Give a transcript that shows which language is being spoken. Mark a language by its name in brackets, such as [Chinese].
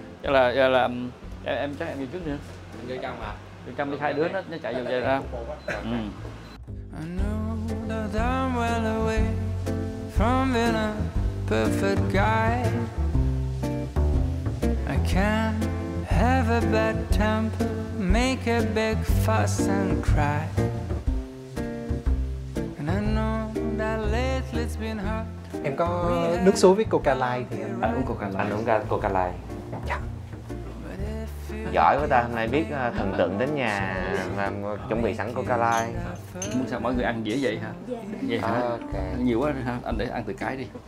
[Vietnamese] Là em chắc em vô trước nữa. Anh vô trong mà. Trong 2 đứa nó chạy vô vậy ra. [English] a bad temper, make a big fuss and cry. And I know that lately it's been hard. [Vietnamese] Em có nước suối với Coca Light thì em uống Coca Light. Anh uống Coca Light. Dạ. Giỏi quá ta, hôm nay biết thần tượng đến nhà mà chuẩn bị sẵn Coca Light. Muốn sao mọi người ăn dễ vậy hả? Dạ. Vậy hả? Okay. Ăn nhiều quá hả? Anh để ăn từ cái đi.